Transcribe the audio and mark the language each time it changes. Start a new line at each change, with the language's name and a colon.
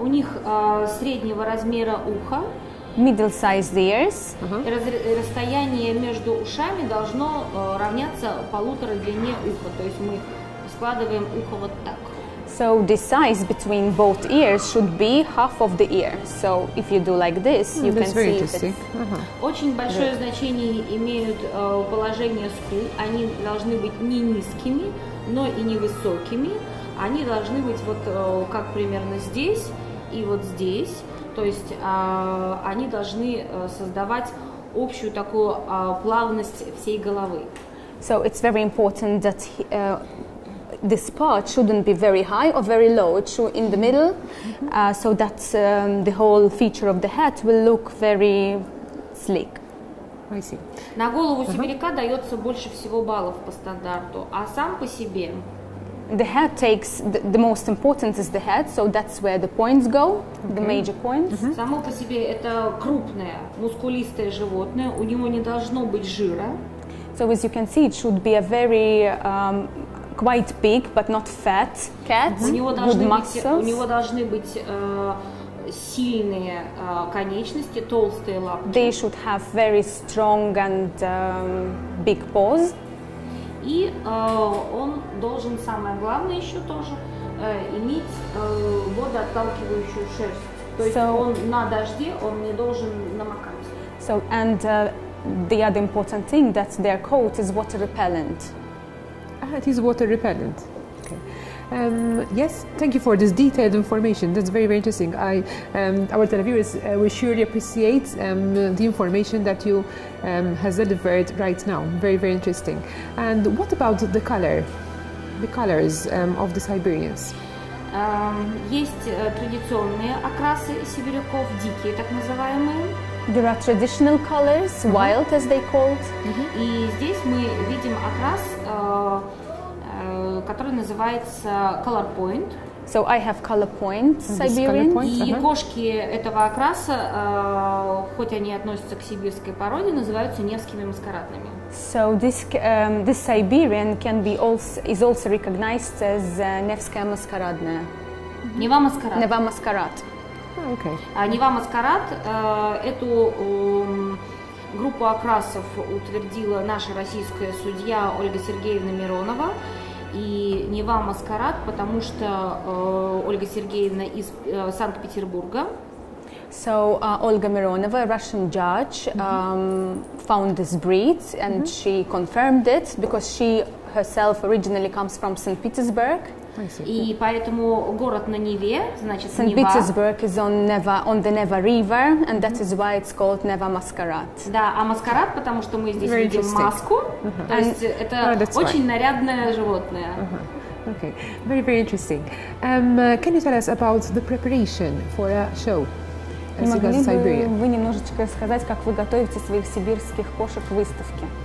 Russian: У них среднего размера ухо.
English: Middle-sized ears.
Russian: Расстояние между ушами должно равняться полутора длине уха. То есть мы складываем ухо вот так.
English: So the size between both ears should be half of the ear. So if you do like this, you can see it.
Russian: Очень большое значение имеют положение скул. Они должны быть не низкими, но и не высокими. Они должны быть вот как примерно здесь и вот здесь. То есть они должны создавать общую такую плавность всей головы.
English: So it's very important that this part shouldn't be very high or very low. It should be in the middle, so that the whole feature of the head will look very sleek. I see.
Russian: На голову сибиряка дается больше всего баллов по стандарту, а сам по себе.
English: The head takes the most importance is the head, so that's where the points go, the major points.
Russian: Само по себе это крупное, мускулистое животное. У него не должно быть жира.
English: So as you can see, it should be a very quite big, but not fat cat. Good muscles.
Russian: У него должны быть сильные конечности, толстые лапки.
English: They should have very strong and big paws.
Russian: И он должен, самое главное еще тоже, иметь водоотталкивающую шерсть. То есть он на дожде, он не должен намокать.
English: So, and the other important thing, that their coat is water repellent. It is water repellent. Yes, thank you for this detailed information. That's very, very interesting. Our televiewers will surely appreciate the information that you has delivered right now. Very, very interesting. And what about the color, the colors of the Siberians?
Russian: Есть традиционные окрасы сибиряков, дикие, так называемые.
English: There are traditional colors, wild as they called.
Russian: И здесь мы видим окрас, который называется color point.
English: So I have color point Siberian.
Russian: И кошки этого окраса, хоть они относятся к сибирской породе, называются невскими маскарадными.
English: So this this Siberian can be also is also recognized as Невская маскарадная.
Russian: Нева маскарад. Нева маскарад.
English: Okay.
Russian: Нева маскарад эту группу окрасов утвердила наша российская судья Ольга Сергеевна Миронова. И Нева маскарад, потому что Ольга Сергеевна из Санкт-Петербурга.
English: So Olga Mironova, a Russian judge, found this breed and she confirmed it because she herself originally comes from St. Petersburg.
Russian: И поэтому город на Неве, значит, Нева.
English: St. Petersburg is on Neva, on the Neva River, and that is why it's called Neva Masquerade.
Russian: Да, а маскарад, потому что мы здесь видим маску, то есть это очень нарядное животное.
English: Okay, very, very interesting. Can you tell us about the preparation for a show?
Russian: Не могли бы вы немножечко рассказать, как вы готовите своих сибирских кошек к выставке?